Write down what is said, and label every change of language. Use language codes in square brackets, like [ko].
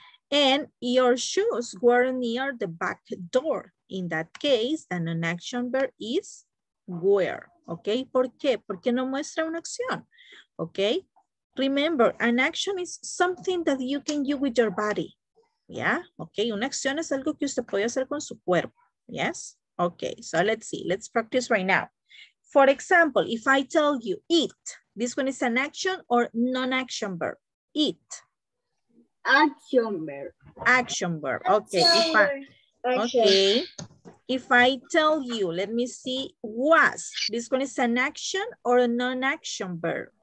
[en] And your shoes were near the back door. In that case, the non-action verb is were. [es] Okay. ¿Por qué? Porque no muestra una acción. Okay. [en] Remember, an action is something that you can do with your body. [es] Yeah, okay, una acción es algo que usted puede hacer con su cuerpo. [en] Yes, okay, so let's see, let's practice right now. For example, if I tell you eat, this one is an action or non-action verb? Eat. Action verb. Action verb, okay. Action. If I tell you, let me see, was, this one is an action or a non-action verb?